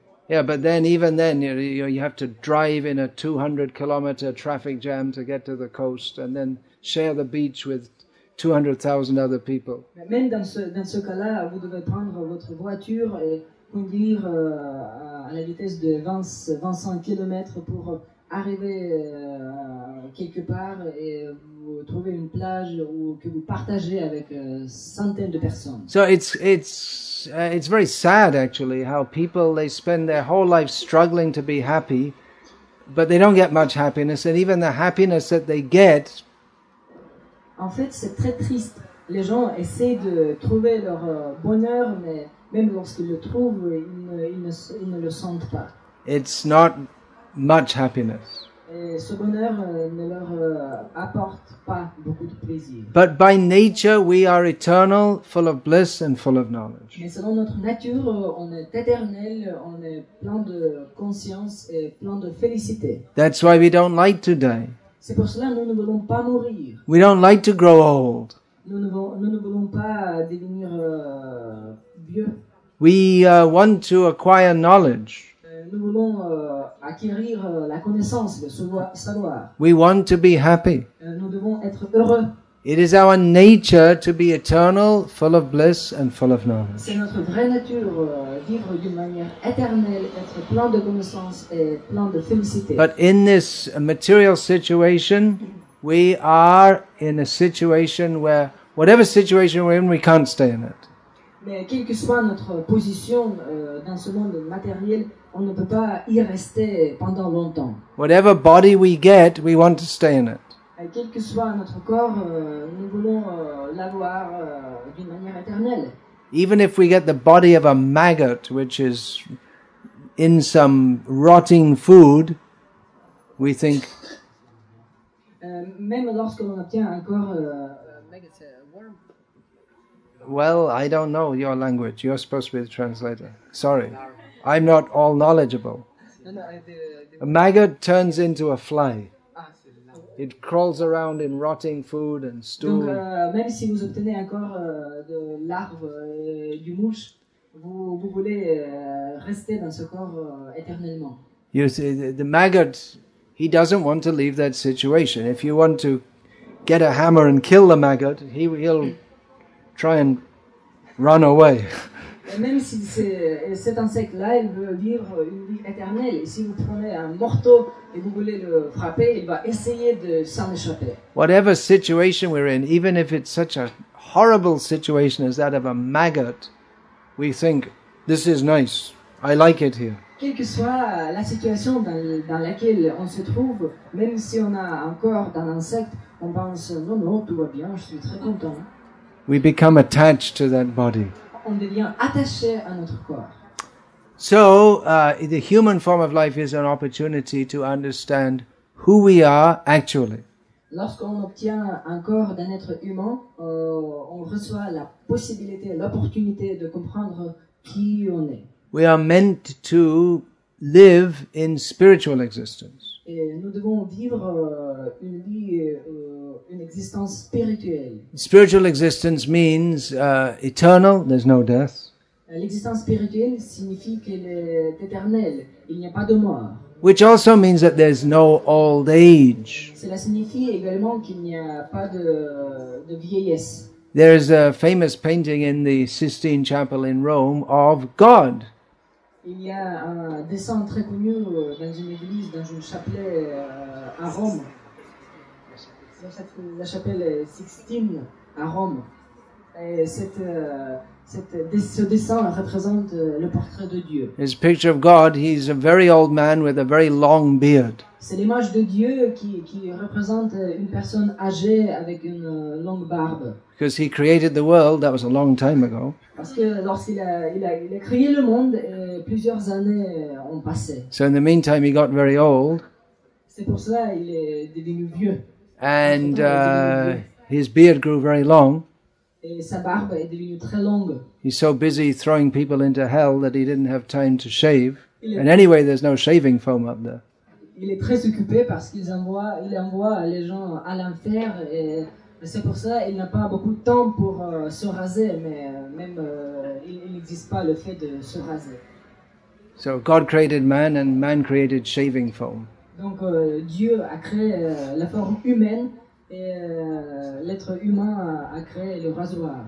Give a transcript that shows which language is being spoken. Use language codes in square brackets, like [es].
[en] Yeah, but then, even then, you have to drive in a 200-kilometer traffic jam to get to the coast and then share the beach with 200,000 other people. [fr] Même dans ce cas-là, vous devez prendre votre voiture et conduire à la vitesse de 25 kilometers pour arriver quelque part et vous trouver une plage où que vous partagez avec centaines de personnes. [en] So it's very sad actually how people they spend their whole life struggling to be happy, but they don't get much happiness, and even the happiness that they get. [fr] En fait, c'est très triste. Les gens essaient de trouver leur bonheur, mais même lorsqu'ils le trouvent, ils ne le sentent pas. [en] It's not much happiness. [fr] Et ce bonheur ne leur apporte pas beaucoup de plaisir. [en] But by nature we are eternal, full of bliss and full of knowledge. [fr] Mais selon notre nature, on est éternel, on est plein de conscience et plein de félicité. [en] That's why we don't like to die. [fr] C'est pour cela que nous ne voulons pas mourir. [en] We don't like to grow old. [fr] Nous ne voulons pas devenir vieux. [en] We want to acquire knowledge. [fr] Nous voulons acquérir la connaissance, le savoir. [en] We want to be happy. [fr] Nous devons être heureux. [en] It is our nature to be eternal, full of bliss and full of knowledge. [fr] C'est notre vraie nature, vivre d'une manière éternelle, être plein de connaissances et plein de félicité. [en] But in this material situation, we are in a situation where, whatever situation we're in, we can't stay in it. [fr] Mais quelle que soit notre position dans ce monde matériel, on ne peut pas y rester pendant longtemps. [en] Whatever body we get, we want to stay in it. [fr] Et quel que soit notre corps, nous voulons l'avoir d'une manière éternelle. [en] Even if we get the body of a maggot, which is in some rotting food, we think... [fr] même lorsqu'on obtient un corps... [en] maggot, worm. Well, I don't know your language. You're supposed to be the translator. Sorry. I'm not all knowledgeable. A maggot turns into a fly. It crawls around in rotting food and stool. [fr] Donc, même si vous obtenez encore de larves et du mouche, vous voulez rester dans ce corps éternellement. [en] You see, the maggot, he doesn't want to leave that situation. If you want to get a hammer and kill the maggot, he'll try and run away. [fr] Et même si cet insecte-là, il veut vivre une vie éternelle. Et si vous prenez un morceau et vous voulez le frapper, il va essayer de s'en échapper. [en] Whatever situation we're in, even if it's such a horrible situation as that of a maggot, we think, this is nice, I like it here. [fr] Quelle que soit la situation dans laquelle on se trouve, même si on a un corps d'un insecte, on pense, non, tout va bien, je suis très content. [en] We become attached to that body. [fr] On devient attaché à notre corps. [en] So, the human form of life is an opportunity to understand who we are actually. [fr] Lorsqu'on obtient un corps d'un être humain, on reçoit la possibilité, l'opportunité de comprendre qui on est. [en] We are meant to live in spiritual existence. [fr] Et nous devons vivre une vie, une existence spirituelle. [en] Spiritual existence means eternal, there's no death. [fr] L'existence spirituelle signifie qu'elle est éternelle, il n'y a pas de mort. [en] Which also means that there's no old age. [fr] Cela signifie également qu'il n'y a pas de vieillesse. [en] There is a famous painting in the Sistine Chapel in Rome of God. [fr] Il y a un dessin très connu dans une église, dans une chapelet à Rome. La chapelle Sixtine à Rome. Et ce dessin représente le portrait de Dieu. [en] It's a picture of God. He's a very old man with a very long beard. [fr] C'est l'image de Dieu qui représente une personne âgée avec une longue barbe. [en] Because he created the world, that was a long time ago. [fr] Parce que lorsqu'il a créé le monde, et plusieurs années ont passé. [en] So in the meantime, he got very old. [fr] C'est pour cela qu'il est devenu vieux. [en] And his beard grew very long. [fr] Et sa barbe est devenue très longue. [en] He's so busy throwing people into hell that he didn't have time to shave. And anyway, there's no shaving foam up there. [fr] Il est très occupé parce qu'il envoie les gens à l'enfer et... C'est pour ça qu'il n'a pas beaucoup de temps pour se raser, mais même il n'existe pas le fait de se raser. [en] So God created man and man created shaving foam. [fr] Donc Dieu a créé la forme humaine et l'être humain a créé le rasoir.